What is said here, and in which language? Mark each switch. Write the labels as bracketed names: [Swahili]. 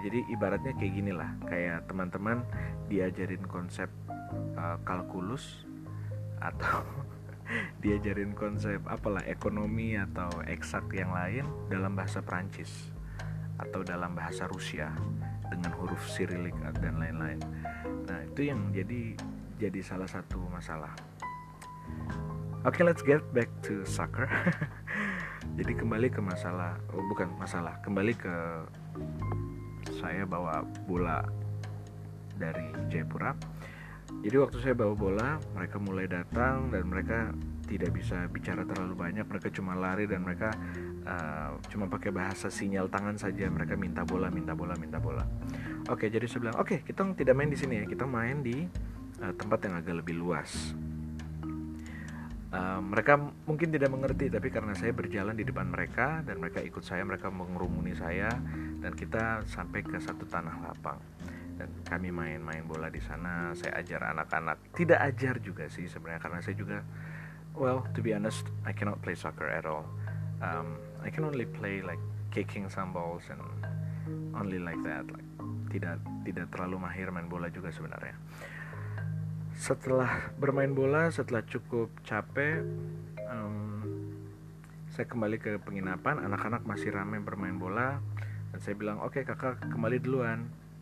[Indonesian] Jadi ibaratnya kayak gini lah, kayak teman-teman diajarin konsep kalkulus atau diajarin konsep apalah ekonomi atau eksak yang lain dalam bahasa Prancis atau dalam bahasa Rusia dengan huruf Sirilik dan lain-lain. Nah, itu yang jadi salah satu masalah. [English] Okay, let's get back to soccer. [Indonesian] Jadi kembali ke masalah, kembali ke saya bawa bola dari Jayapura. Jadi waktu saya bawa bola, mereka mulai datang dan mereka tidak bisa bicara terlalu banyak. Mereka cuma lari dan mereka cuma pakai bahasa sinyal tangan saja. Mereka minta bola, minta bola, minta bola. Oke, jadi saya bilang, oke, kita tidak main di sini ya. Kita main di tempat yang agak lebih luas. Mereka mungkin tidak mengerti, tapi karena saya berjalan di depan mereka dan mereka ikut saya, mereka mengerumuni saya dan kita sampai ke satu tanah lapang. Dan kami main-main bola di sana, saya ajar anak-anak. Tidak ajar juga sih sebenarnya, karena saya juga, [English] well, to be honest, I cannot play soccer at all. I can only play like kicking some balls and only like that. [Indonesian] Like, tidak terlalu mahir main bola juga sebenarnya. Setelah bermain bola, setelah cukup capek, saya kembali ke penginapan. Anak-anak masih ramai bermain bola dan saya bilang, oke, kakak kembali duluan.